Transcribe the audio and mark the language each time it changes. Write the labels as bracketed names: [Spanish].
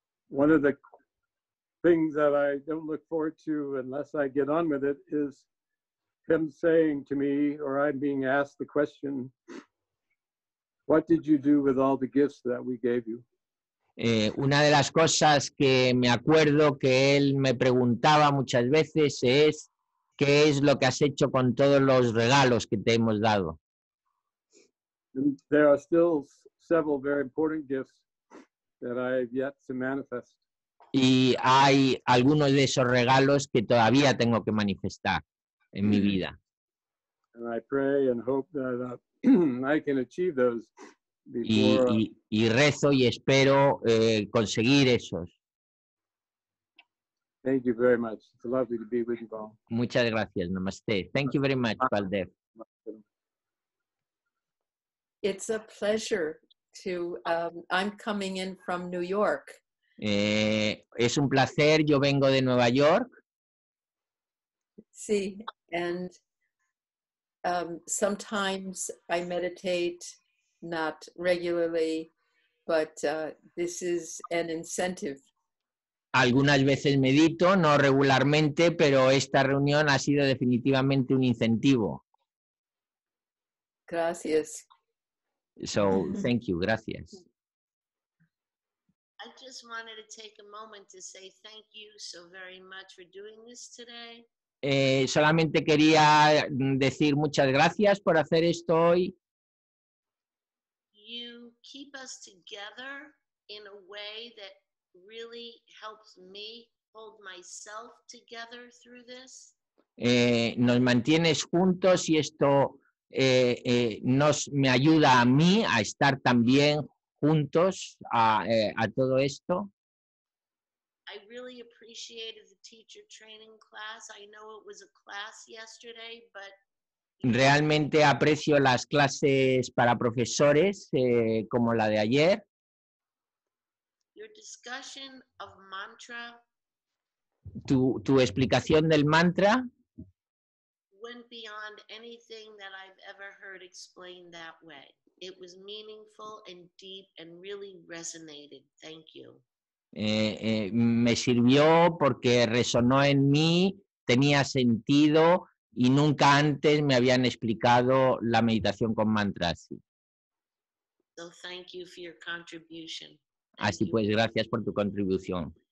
[English] One of the things that I don't look forward to unless I get on with it is him saying to me, or I'm being asked the question, what did you do with all the gifts that we gave you? [Spanish] Una de las cosas que me acuerdo que él me preguntaba muchas veces es, ¿qué es lo que has hecho con todos los regalos que te hemos dado? [English] There are still several very important gifts that I have yet to manifest. [Spanish] Y hay algunos de esos regalos que todavía tengo que manifestar en mi vida. [English] And I pray and hope that I can achieve those. [Spanish] Y rezo y espero conseguir esos. [English] Thank you very much. It's lovely to be with you all. [Spanish] Muchas gracias. [English] Namaste. Thank you very much, Valdez. It's a pleasure to. I'm coming in from New York. [Spanish] Es un placer. Yo vengo de Nueva York. [English] Sí. And sometimes I meditate. Not regularly, but this is an incentive. [Spanish] Algunas veces medito, no regularmente, pero esta reunión ha sido definitivamente un incentivo. Gracias. [English] So, thank you, gracias. I just wanted to take a moment to say thank you so very much for doing this today. [Spanish] Solamente quería decir muchas gracias por hacer esto hoy. [English] You keep us together in a way that really helps me hold myself together through this. [Spanish] Nos mantienes juntos y esto nos me ayuda a mí a estar también juntos a todo esto. [English] I really appreciated the teacher training class. I know it was a class yesterday, but [Spanish] realmente aprecio las clases para profesores como la de ayer. [English] Your discussion of mantra, [Spanish] tu explicación del mantra [English] went beyond anything that I've ever heard explained that way. It was meaningful and deep and really resonated. Thank you. [Spanish] Me sirvió porque resonó en mí, tenía sentido. Y nunca antes me habían explicado la meditación con mantras. [English] So thank you for your contribution. [Spanish] Así pues, gracias por tu contribución.